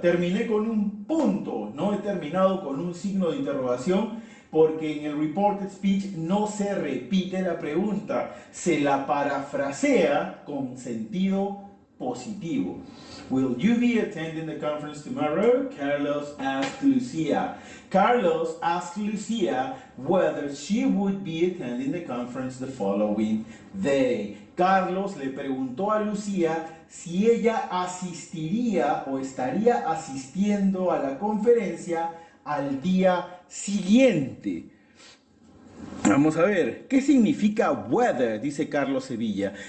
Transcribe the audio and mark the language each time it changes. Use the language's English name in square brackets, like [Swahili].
[Spanish] Terminé con un punto, no he terminado con un signo de interrogación porque en el reported speech no se repite la pregunta, se la parafrasea con sentido positivo. [English] Will you be attending the conference tomorrow? Carlos asked Lucia. Carlos asked Lucia whether she would be attending the conference the following day. [Spanish] Carlos le preguntó a Lucía si ella asistiría o estaría asistiendo a la conferencia al día siguiente. Vamos a ver, ¿qué significa whether? Dice Carlos Sevilla.